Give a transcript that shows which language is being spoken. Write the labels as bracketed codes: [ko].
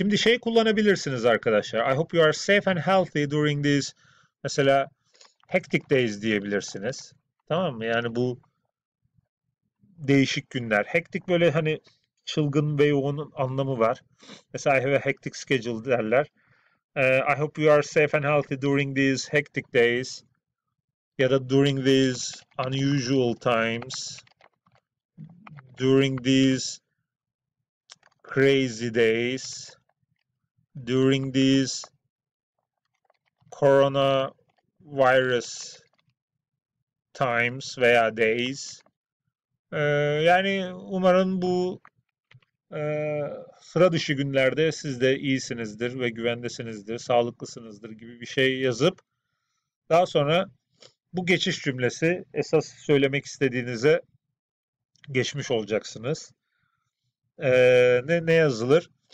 [tr] Şimdi şey kullanabilirsiniz arkadaşlar. [en] I hope you are safe and healthy during these [tr] mesela [en] hectic days [tr] diyebilirsiniz. Tamam mı? Yani bu değişik günler. Hectic böyle hani çılgın ve yoğun anlamı var. Mesela [en] I have a hectic schedule [tr] derler. [en] I hope you are safe and healthy during these hectic days. Ya da during these unusual times, during these crazy days, during these coronavirus times veya days. [tr] Yani umarım bu sıra dışı günlerde siz de iyisinizdir ve güvendesinizdir, sağlıklısınızdır gibi bir şey yazıp daha sonra bu geçiş cümlesi esas söylemek istediğinize geçmiş olacaksınız. Ne yazılır?